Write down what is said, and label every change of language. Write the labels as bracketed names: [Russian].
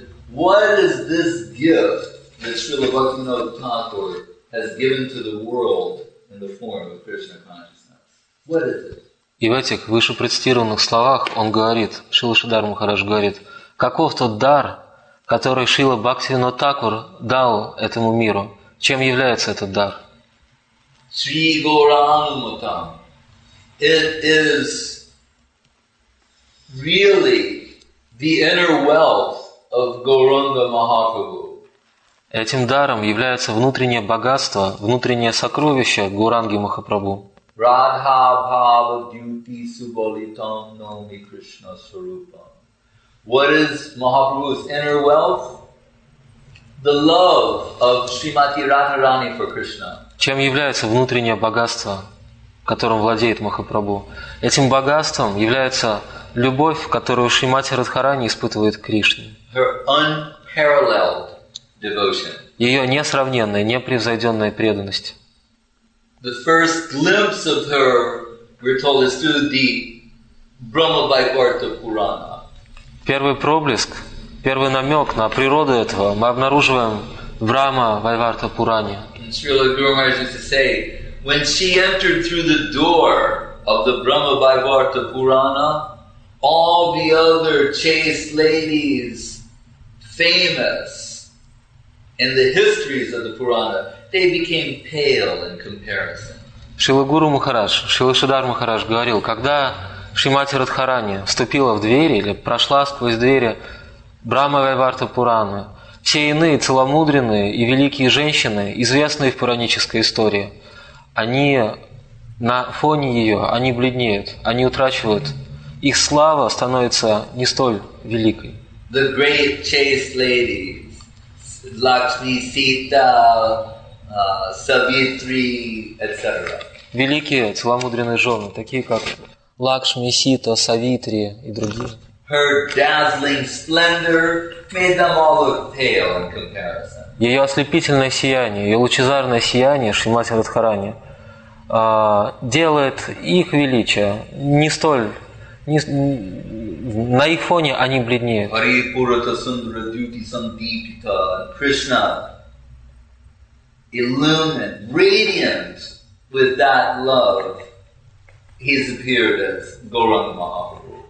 [English] What is this gift that Srila Bhaktivinoda Thakur has given to the world in the form of Krishna consciousness? What is it? [Russian] И в этих вышепредстированных словах он говорит, Шрила Шридхар Махарадж говорит, каков тот дар, который Шрила Бхактивинода Такур дал этому миру? Чем является этот дар? [Sanskrit] Sri Gauranumatam. [English] It is really the inner wealth of Gauranga Mahaprabhu. [Russian] Этим даром является внутреннее богатство, внутреннее сокровище Гуранги Махапрабху. [Sanskrit] Radha Bhava Dyuti Subalitam Nomi Krishna Sarupam. [English] What is Mahaprabhu's inner wealth? The love of Srimati Radharani for Krishna. [Russian] Чем является внутреннее богатство, которым владеет Махапрабху? Этим богатством является любовь, которую Шримати Радхарани испытывает к Кришне. [English] Her unparalleled devotion. [Russian] Ее несравненная, непревзойденная преданность. [English] The first glimpse of her, we're told, is through the Brahma Vaikuntha Purana. [Russian] Первый проблеск, первый намек на природу этого мы обнаруживаем в Брахма Вайварта Пуране. [English] And Srila Guru Maharaj used to say, when she entered through the door of the Brahma Vaikuntha Purana, all the other chaste ladies, famous in the histories of the Purana, they became pale in comparison. [Russian] Шрила Гуру Махарадж, Шрила Шридхар Махарадж говорил, когда Шримати Радхарани вступила в двери или прошла сквозь двери Брахма Вайварта Пураны, все иные целомудренные и великие женщины, известные в пуранической истории, они на фоне ее, они бледнеют, они утрачивают, их слава становится не столь великой. [English] The great chaste ladies, Lakshmi Sita, Savitri, etc. [Russian] Великие целомудренные жены, такие как Лакшми, Сита, Савитри и другие. [English] Her dazzling splendor made them all look pale in comparison. [Russian] Ее ослепительное сияние, ее лучезарное сияние, Шримати Радхарани, делает их величие не столь... Не, на их фоне они бледнеют. [Sanskrit] Hari Purata Sundara Dyuti Sandipita [English] Krishna illumined, radiant with that love, he's appeared as Gauranga Mahaprabhu.